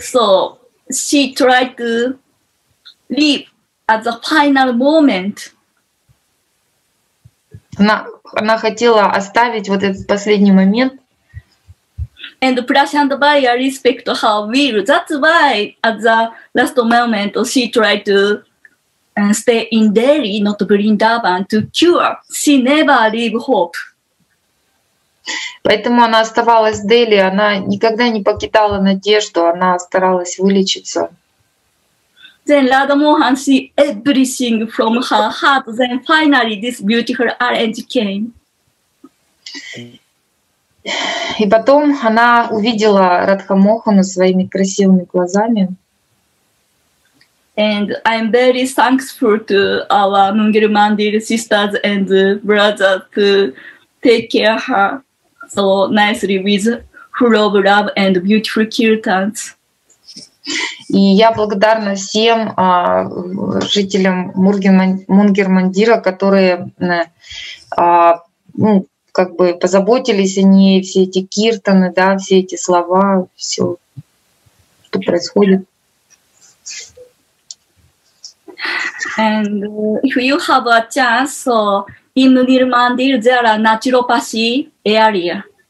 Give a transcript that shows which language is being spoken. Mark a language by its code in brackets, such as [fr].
[en] So she tried to leave at the final moment. [ru] Она хотела оставить вот этот последний момент. [en] And Prasantabaya respect her will. That's why at the last moment she tried to and stay in Delhi, not Vrindavan, to cure. She never leave hope. [ru] Поэтому она оставалась в Дели, она никогда не покидала надежду, она старалась вылечиться. [en] Then Radha Mohan see everything from her heart, then finally this beautiful orange came. [ru] И потом она увидела Радха Мохану своими красивыми глазами. [en] And I'm very thankful to our Nungiri Mandir sisters and brothers to take care of her so nicely with full of love and beautiful kirtans. [ru] И я благодарна всем жителям Мунгир Мандира, которые как бы позаботились о ней, все эти киртаны, да, все эти слова, все, что происходит. [en] And if you have a chance, so in Mungir Mandir there are naturopathy area.